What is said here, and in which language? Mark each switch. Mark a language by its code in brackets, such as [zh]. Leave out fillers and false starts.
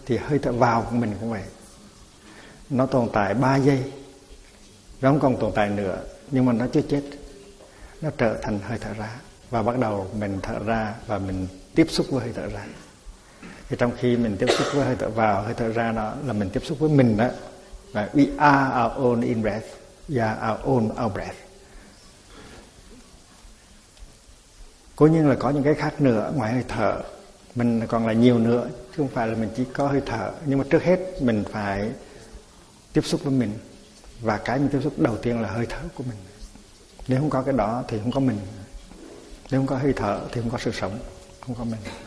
[vi] Thì hơi thở vào của mình cũng vậy, nó tồn tại 3 giây, nó không còn tồn tại nữa, nhưng mà nó chưa chết, nó trở thành hơi thở ra. Và bắt đầu mình thở ra và mình tiếp xúc với hơi thở ra. Thì trong khi mình tiếp xúc với hơi thở vào, hơi thở ra đó là mình tiếp xúc với mình đó. [en] Và we are our own in-breath, we are our own out-breath. [vi] Cố nhiên là có những cái khác nữa ngoài hơi thở, mình còn là nhiều nữa, chứ không phải là mình chỉ có hơi thở. Nhưng mà trước hết mình phải tiếp xúc với mình, và cái mình tiếp xúc đầu tiên là hơi thở của mình. Nếu không có cái đó thì không có mình, nếu không có hơi thở thì không có sự sống, không có mình.